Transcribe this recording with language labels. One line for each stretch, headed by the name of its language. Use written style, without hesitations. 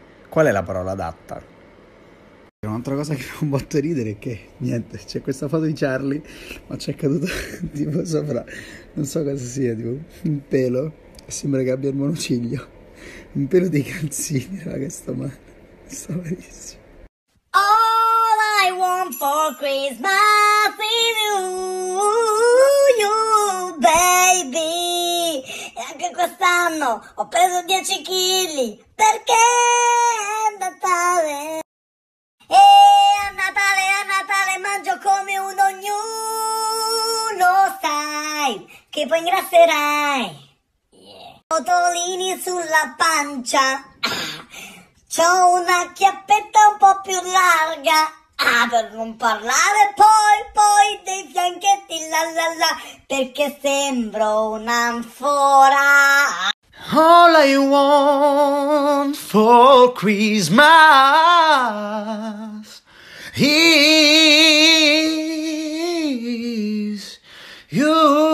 Italian: Qual è la parola adatta? Un'altra cosa che fa un botto ridere è che, niente, c'è questa foto di Charlie, ma c'è caduto tipo sopra, non so cosa sia, tipo un pelo. Sembra che abbia il monociglio. Un pelo di calzini, raga, sto male. Sto malissimo.
English: All I want for Christmas is you, baby.
Italian: E anche quest'anno ho preso 10 kg. Perché è Natale? E a Natale mangio come un ognuno, sai, che poi ingrasserai. Rotolini sulla pancia, c'ho una chiappetta un po' più larga, per non parlare poi dei fianchetti, la, perché sembro un'anfora.
English: All I want for Christmas is you.